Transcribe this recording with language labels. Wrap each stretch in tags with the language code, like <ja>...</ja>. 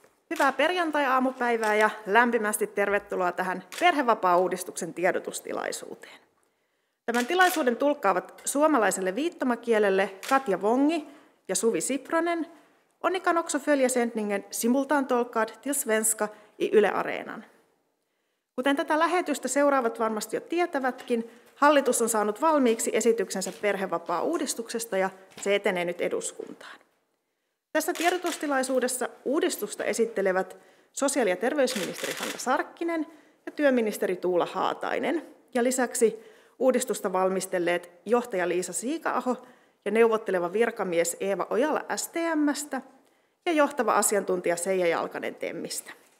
<fi>hyvää perjantai-aamupäivää ja lämpimästi tervetuloa tähän perhevapaa-uudistuksen tiedotustilaisuuteen. Tämän tilaisuuden tulkkaavat suomalaiselle viittomakielelle Katja Vongi ja Suvi Sipronen.</fi> <sv>On ikan också följa sändningen simultantolkad till svenska i Yle Areenan.</sv> <fi>Kuten tätä lähetystä seuraavat varmasti jo tietävätkin, hallitus on saanut valmiiksi esityksensä perhevapaa-uudistuksesta ja se etenee nyt eduskuntaan. Tässä tiedotustilaisuudessa uudistusta esittelevät sosiaali- ja terveysministeri Hanna Sarkkinen ja työministeri Tuula Haatainen ja lisäksi uudistusta valmistelleet johtaja Liisa Siika-aho ja neuvotteleva virkamies Eeva Ojala STM:stä ja johtava asiantuntija Seija Jalkanen TEMistä.</fi>